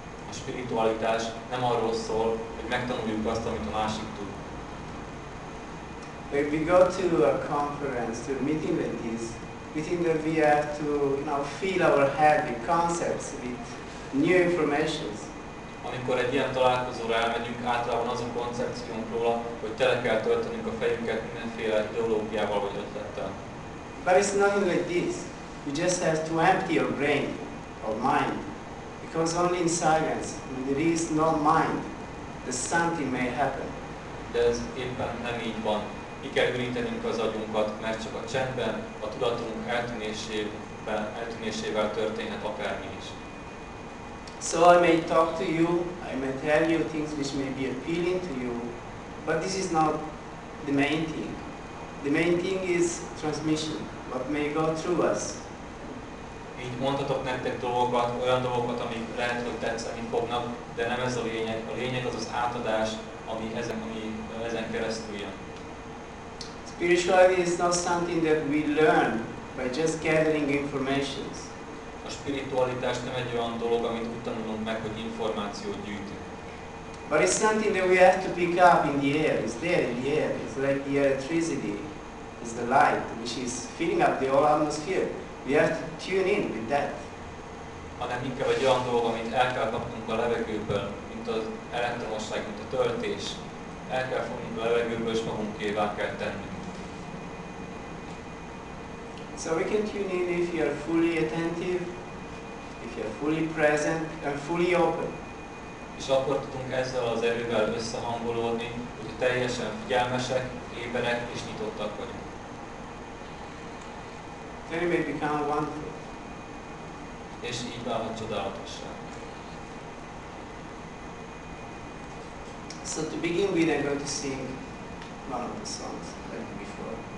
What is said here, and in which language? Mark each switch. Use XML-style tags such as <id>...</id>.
<hu>A spiritualitás nem arról szól, hogy megtanuljuk azt, amit a másik tud.</hu> <en>If we go to a conference, to a meeting like this, we think that we have to fill our head with concepts, with new information.</en> <hu>Amikor egy ilyen találkozóra elmegyünk, általában az a koncepciónk róla, hogy tele kell töltenünk a fejünket mindenféle ideológiával vagy ötlettel.</hu> <en>But it's nothing like this. You just have to empty your brain or mind. Because only in silence, when there is no mind, the something may happen.</en> <hu>De ez éppen nem így van. Ki kell ürítenünk az agyunkat, mert csak a csendben, a tudatunk eltűnésével történhet akármi is.</hu> <en>So I may talk to you, I may tell you things which may be appealing to you, but this is not the main thing. The main thing is transmission, what may go through us.</en> <hu>Így mondhatok nektek dolgokat, olyan dolgokat, amik lehet, hogy tetszeni fognak, de nem ez a lényeg. A lényeg az az átadás, ami ezen keresztül jön.</hu> <en>Spirituality is not something that we learn by just gathering information.</en> <hu>A spiritualitás nem egy olyan dolog, amit úgy tanulunk meg, hogy információt gyűjtünk.</hu> <en>But it's something that we have to pick up in the air. It's there in the air. It's like the electricity. It's the light which is filling up the whole atmosphere. We have to tune in with that.</en> <hu>Hanem inkább egy olyan dolog, amit el kell kapnunk a levegőből, mint az elektromosság, mint a töltés. El kell fognunk a levegőből, és magunkévá kell tenni.</hu> <en>So we can tune in if you are fully attentive, if you are fully present and fully open.</en> <hu>És akkor tudunk ezzel az erővel összehangolódni, hogy teljesen figyelmesek, éberek és nyitottak vagyunk.</hu> <en>Then it may become wonderful.</en> <hu>És így válhat csodálatosság.</hu> <en>So to begin with, I'm going to sing one of the songs like before.</en>